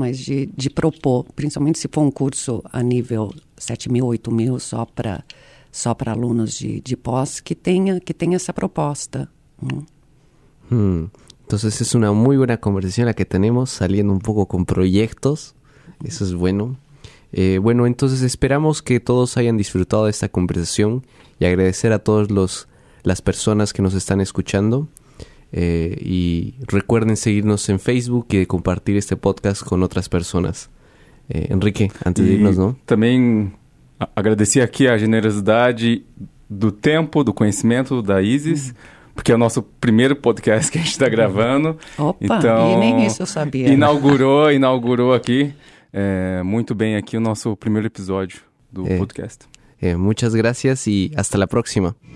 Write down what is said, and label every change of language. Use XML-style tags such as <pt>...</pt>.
<pt>Mas de propor, principalmente se for um curso a nível 7.000, 8.000 só para alunos de pós, que tenha essa proposta, né? Então, essa é uma muito boa conversação a que temos, saindo um pouco com projetos, isso é bom.</pt> <es>Bueno, entonces esperamos que todos hayan disfrutado de esta conversación y agradecer a todas las personas que nos están escuchando. Y recuerden seguirnos en Facebook y compartir este podcast con otras personas. Enrique, antes de irnos, ¿no? También agradecer aquí a generosidad del tiempo, del conocimiento de Isis.</es> <pt>Porque é o nosso primeiro podcast que a gente está gravando. Opa, então, e nem isso eu sabia. Inaugurou aqui. Muito bem aqui o nosso primeiro episódio do podcast. Muitas graças e</pt> <es>hasta la próxima.</es>